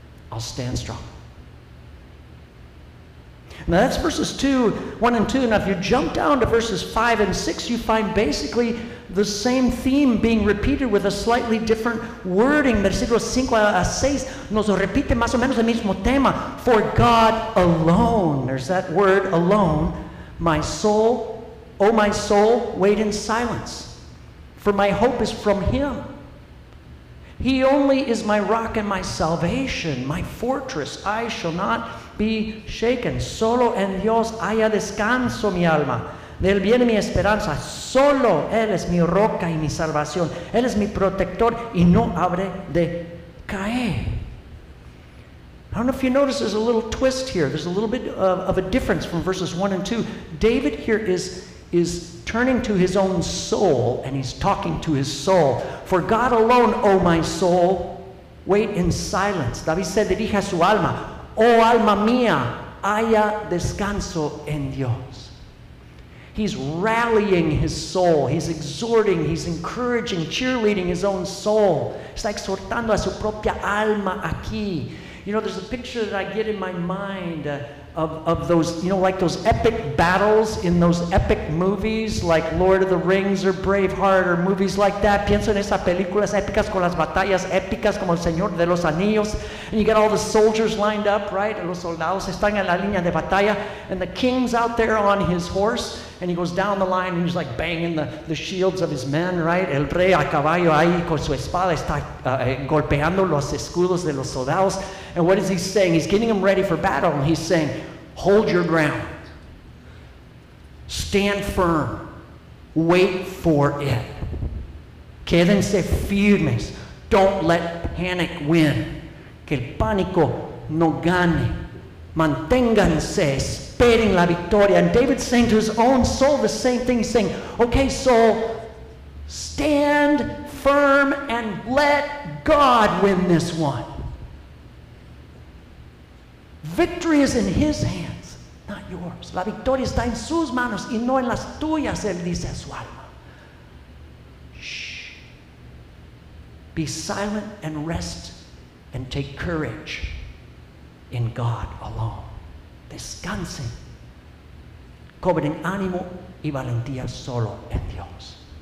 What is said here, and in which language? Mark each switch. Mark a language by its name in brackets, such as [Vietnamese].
[English] I'll stand strong. Now that's verses 2, 1 and 2. Now if you jump down to verses 5 and 6, you find basically the same theme being repeated with a slightly different wording. [Spanish] Versículos 5 a 6 nos repite más o menos el mismo tema. [English] For God alone, there's that word alone, my soul, oh my soul, wait in silence. For my hope is from him. He only is my rock and my salvation, my fortress. I shall not be shaken. [Spanish] Solo en Dios haya descanso mi alma. De él viene mi esperanza. Solo él es mi roca y mi salvación. Él es mi protector y no habré de caer. [English] I don't know if you notice there's a little twist here. There's a little bit of a difference from verses 1 and 2. David here is turning to his own soul, and he's talking to his soul. For God alone, O my soul, wait in silence. David said, [Spanish] dirige a su alma, oh alma mía, haya descanso en Dios. [English] He's rallying his soul. He's exhorting, he's encouraging, cheerleading his own soul. [Spanish] Está exhortando a su propia alma aquí. [English] You know, there's a picture that I get in my mind of those, you know, like those epic battles in those epic movies like Lord of the Rings or Braveheart or movies like that. [Spanish] Pienso en esas películas épicas con las batallas épicas como El Señor de los Anillos. [English] And you get all the soldiers lined up, right? [Spanish] Los soldados están en la línea de batalla. [English] And the king's out there on his horse. And he goes down the line and he's like banging the shields of his men, right? [Spanish] El rey a caballo ahí con su espada está golpeando los escudos de los soldados. [English] And what is he saying? He's getting them ready for battle. And he's saying, hold your ground. Stand firm. Wait for it. [Spanish] Quédense firmes. [English] Don't let panic win. [Spanish] Que el pánico no gane. Manténganse esperados. esperen la victoria. [English] And David's saying to his own soul the same thing. He's saying, okay, soul, stand firm and let God win this one. Victory is in his hands, not yours. [Spanish] La victoria está en sus manos y no en las tuyas, él dice a su alma. Shh. [English] Be silent and rest and take courage in God alone. [Spanish] Descansen. Cobren ánimo y valentía solo en Dios.